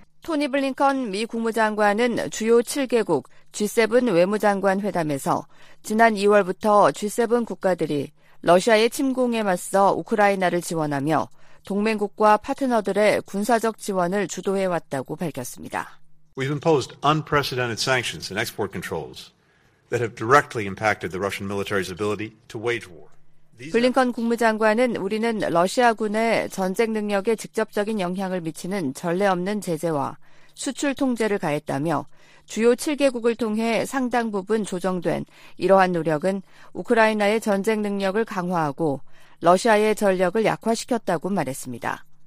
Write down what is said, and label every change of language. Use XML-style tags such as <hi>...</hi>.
<ko>토니 블링컨 미 국무장관은 주요 7개국 G7 외무장관 회담에서 지난 2월부터 G7 국가들이 러시아의 침공에 맞서 우크라이나를 지원하며 동맹국과 파트너들의 군사적 지원을 주도해왔다고 밝혔습니다.</ko> <en>We've imposed unprecedented sanctions and export controls that have directly impacted the Russian military's ability to wage war.</en> <ko>블링컨 국무장관은 우리는 러시아군의 전쟁 능력에 직접적인 영향을 미치는 전례 없는 제재와 수출 통제를 가했다며 주요 7개국을 통해 상당 부분 조정된 이러한 노력은 우크라이나의 전쟁 능력을 강화하고 러시아의 전력을 약화시켰다고 말했습니다.</ko>